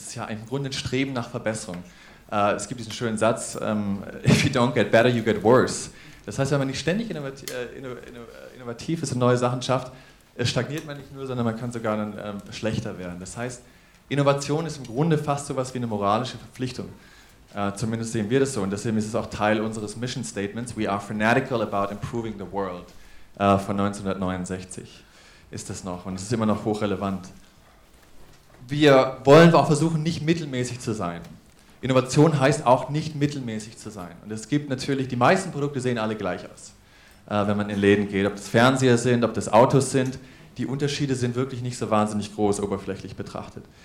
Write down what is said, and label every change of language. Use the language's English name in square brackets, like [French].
[German] Das ist ja im Grunde ein Streben nach Verbesserung. Es gibt diesen schönen Satz, [English] if you don't get better, you get worse. [German] Das heißt, wenn man nicht ständig innovativ ist und neue Sachen schafft, stagniert man nicht nur, sondern man kann sogar dann schlechter werden. Das heißt, Innovation ist im Grunde fast so etwas wie eine moralische Verpflichtung. Zumindest sehen wir das so. Und deswegen ist es auch Teil unseres Mission Statements. [English] We are fanatical about improving the world. [German] Von 1969 ist das noch. Und es ist immer noch hochrelevant. Wir wollen auch versuchen, nicht mittelmäßig zu sein. Innovation heißt auch, nicht mittelmäßig zu sein. Und es gibt natürlich, die meisten Produkte sehen alle gleich aus. Wenn man in Läden geht, ob das Fernseher sind, ob das Autos sind, die Unterschiede sind wirklich nicht so wahnsinnig groß, oberflächlich betrachtet.